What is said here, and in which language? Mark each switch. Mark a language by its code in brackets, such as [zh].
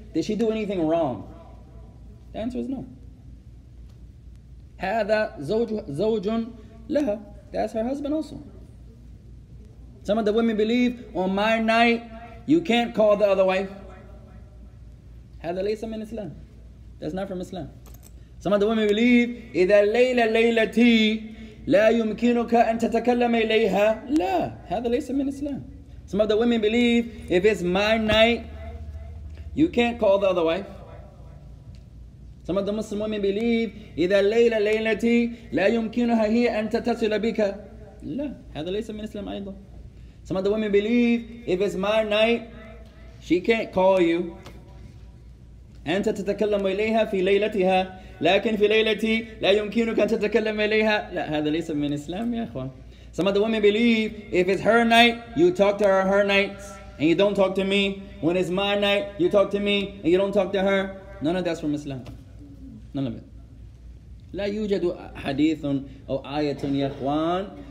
[en] Did she do anything wrong? The answer is no. [ar] هذا زوج لها. [en] That's her husband also. Some of the women believe, on my night, you can't call the other wife. [ar] هذا ليس من [en] Islam. That's not from Islam. Some of the women believe, [ar] إذا ليلة ليلتي لا يمكنك أن تتكلم إليها. لا. هذا ليس من Islam. [en] Some of the women believe, if it's my night, you can't call the other wife. Some of the Muslim women believe, [ar] إِذَا لَيْلَ لَيْلَتِي لَا يُمْكِنُهَا هِيَ أَن تَتَصِلَ بِكَ. لا. هذا ليس من Islam أيضا. [en] Some of the women believe, if it's my night, she can't call you. [ar] أنت تتكلم إليها في ليلتها. لكن في ليلتي لا يمكنك أن تتكلم إليها. لا. هذا ليس من Islam, يا أخوان. [en] Some of the women believe, if it's her night, you talk to her her nights, and you don't talk to me. When it's my night, you talk to me, and you don't talk to her. None of that's from Islam. None of it. [ar] لا يوجد حديث أو آية يا إخوان.